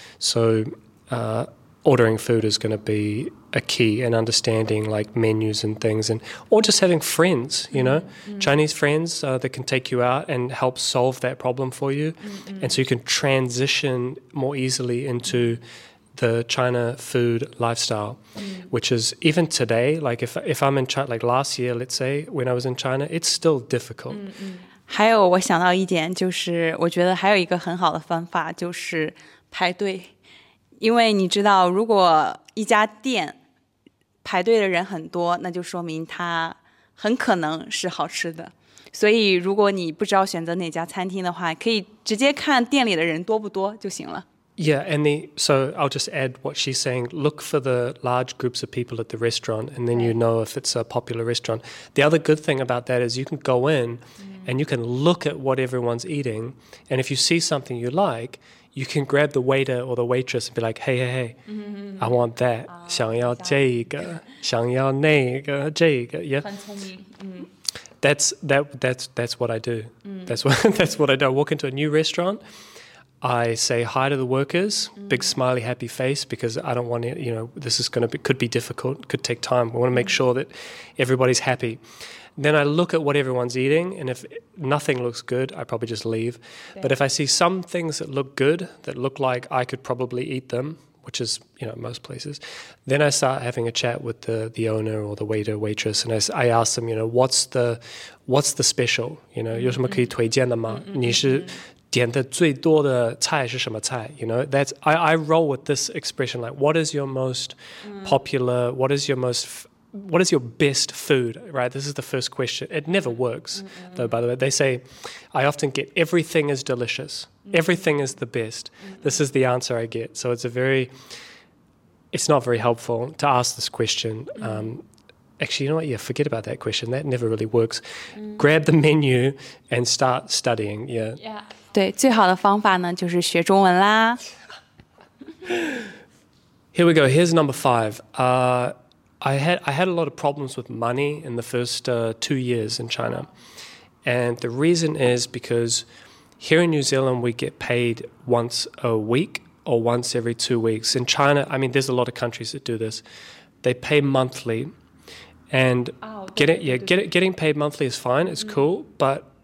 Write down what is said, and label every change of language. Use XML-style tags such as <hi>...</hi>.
<en>So ordering food is going to be a key, and understanding like menus and things, and or just having friends, you know, Chinese friends that can take you out and help solve that problem for you. And so you can transition more easily into the China food lifestyle, which is even today, like if I'm in China, like last year, let's say, when I was in China, it's still difficult.</en> <zh>还有我想到一点，就是我觉得还有一个很好的方法，就是排队。因为你知道，如果一家店排队的人很多，那就说明它很可能是好吃的。所以如果你不知道选择哪家餐厅的话，可以直接看店里的人多不多就行了。</zh> <en>Yeah, and so I'll just add what she's saying. Look for the large groups of people at the restaurant, and then you know if it's a popular restaurant. The other good thing about that is you can go in and you can look at what everyone's eating, and if you see something you like, you can grab the waiter or the waitress and be like, hey, hey, hey, I want that.</en> <zh>想要这一个，想要那一个，这一个。</zh> <en>Yeah.</en> <zh>很聪明。</zh> <en>That's what I do. That's what I do. I walk into a new restaurant. I say hi to the workers, big smiley, happy face, because I don't want it, you know, this is going to be, could be difficult, could take time. I want to make sure that everybody's happy. Then I look at what everyone's eating, and if nothing looks good, I probably just leave. But if I see some things that look good, that look like I could probably eat them, which is, you know, most places, then I start having a chat with the owner or the waiter, waitress, and I ask them, you know, what's the special? You know,</en> <zh>有什么可以推荐的吗？你是点的最多的菜是什么菜？</zh> <en>You know, that's, I roll with this expression, like, what is your most popular, what is your best food, right? This is the first question. It never works, though, by the way. They say, I often get, everything is delicious. Everything is the best. This is the answer I get. So it's not very helpful to ask this question. Actually, you know what? Yeah, forget about that question. That never really works. Grab the menu and start studying. Yeah. Yeah.</en> <zh>对，最好的方法呢，就是学中文啦。</zh> <en>Here we go. Here's number five. I had a lot of problems with money in the first 2 years in China. And the reason is because here in New Zealand, we get paid once a week or once every 2 weeks. In China, I mean, there's a lot of countries that do this. They pay monthly. And getting paid monthly is fine, it's cool. But</en>